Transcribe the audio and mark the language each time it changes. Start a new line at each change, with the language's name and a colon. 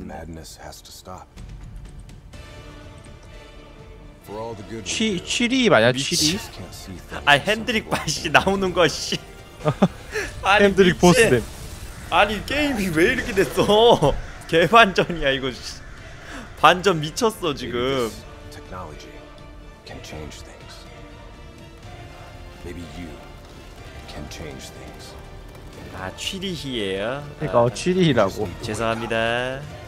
English: The madness has to stop. For all the good.
Korean: 치리 맞아? 치리? 아, 핸드릭 바시 나오는 거 씨. 아니, 핸드릭 보스댐. 아니, 게임이 왜 이렇게 됐어? 개반전이야, 이거 씨. 반전 미쳤어, 지금.
English: Technology can change things. Maybe you can change things.
Korean: 아 취리히예요? 그러니까 어, 취리히라고. 죄송합니다.